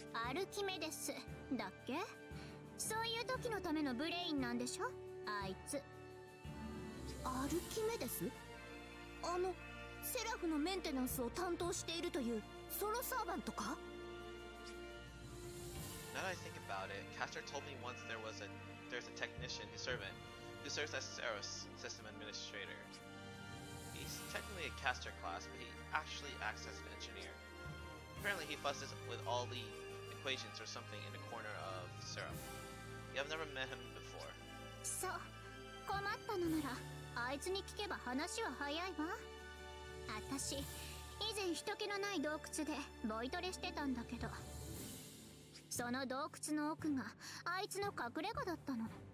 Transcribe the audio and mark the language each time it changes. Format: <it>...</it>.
<ja>アルキメデスだっけ。そういう時のためのブレインなんでしょあいつ。アルキメデス、あのセラフのメンテナンスを担当しているというソロサーバントか。</ja> <en>Now that I think about it, Caster told me once there's a technician, his servant, who serves as Seros system administrator. He's technically a Caster class, but he actually acts as an engineer. Apparently he fusses with all the equations or something in the corner of Seros. You have never met him before.</en> <ja>So, 困ったのならあいつに聞けば話は早いわ。あたし、以前人気のない洞窟でボイトレしてたんだけど、その洞窟の奥があいつの隠れ家だったの。</ja>